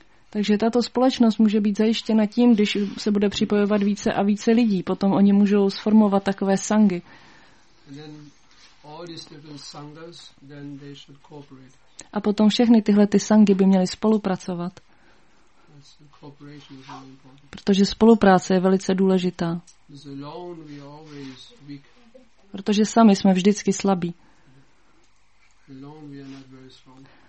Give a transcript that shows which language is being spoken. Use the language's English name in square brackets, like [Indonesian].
[Czech] Takže tato společnost může být zajištěna tím, když se bude připojovat více a více lidí. Potom oni můžou sformovat takové sanghy. [English] All these different sanghas, then they should cooperate. [Czech] A potom všechny tyhle ty sanghy by měly spolupracovat. [English] Cooperation is really important. [Czech] Protože spolupráce je velice důležitá. [English] Alone we are always weak. [Czech] Protože sami jsme vždycky slabí. [English] Alone we are not very strong.